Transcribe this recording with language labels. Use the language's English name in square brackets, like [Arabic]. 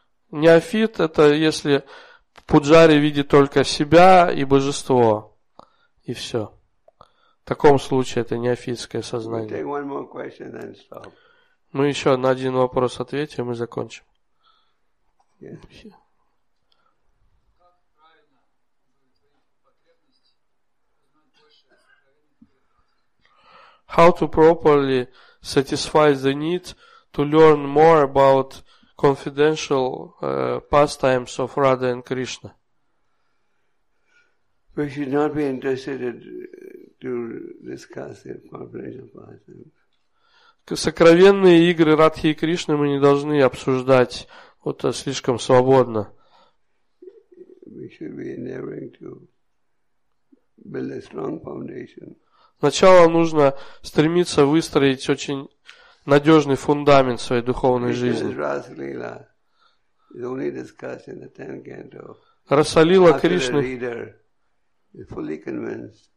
[Russian] Неофит – это если пуджари видит только себя и божество, и все. В таком случае это неофитское сознание. Мы еще на один вопрос ответим и закончим. [English] How to properly satisfy the need to learn more about confidential pastimes of Radha and Krishna. We should not be interested to discuss the confidential pastimes. [Russian] Сокровенные игры Радхи и Кришны мы не должны обсуждать вот слишком свободно. [English] We should be endeavoring to build a strong foundation. [Russian] Сначала нужно стремиться выстроить очень надежный фундамент своей духовной жизни. Расалила Кришны.